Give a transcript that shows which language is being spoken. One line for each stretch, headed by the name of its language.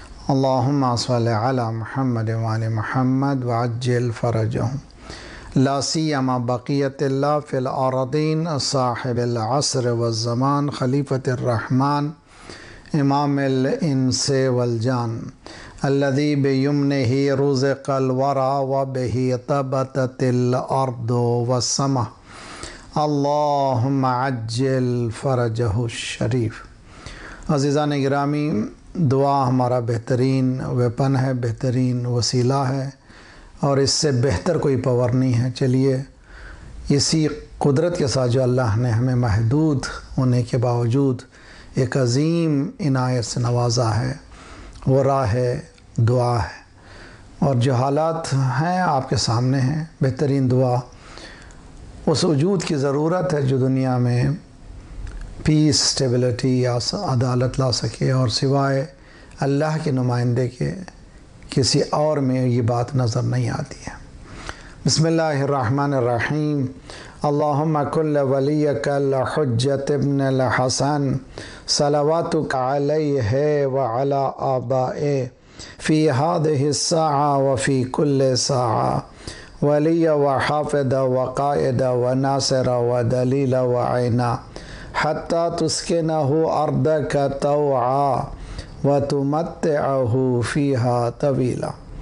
Arabic: اللهم صل على محمد وآل محمد وعجل فرجهم، لا سيما بقية الله في الأرضين، صاحب العصر والزمان، خليفة الرحمن، إمام الإنس والجان، الذي بيمنه رزق الورى وبه ثبتت الأرض والسماء. اللهم عجل فرجه الشریف.
Urdu: عزیزان گرامی، دعا ہمارا بہترین ویپن ہے، بہترین وسیلہ ہے، اور اس سے بہتر کوئی پاور نہیں ہے. چلیے، اسی قدرت کے ساتھ جو اللہ نے ہمیں محدود ہونے کے باوجود ایک عظیم عنایت سے نوازا ہے، وہ راہ ہے، دعا ہے. اور جو حالات ہیں آپ کے سامنے ہیں، بہترین دعا اس وجود کی ضرورت ہے جو دنیا میں پیس، سٹیبلٹی یا عدالت لا سکے، اور سوائے اللہ کے نمائندے کے کسی اور میں یہ بات نظر نہیں آتی ہے.
Arabic: بسم اللہ الرحمن الرحیم. اللهم كل وليك الحجة ابن الحسن صلواتك عليه وعلى آبائه في هذه الساعة وفي كل ساعة ولي وحافظ وقائد وناصر ودليل وعينا حتى تسكنه أرضك طوعا وتمتعه فيها طويلا.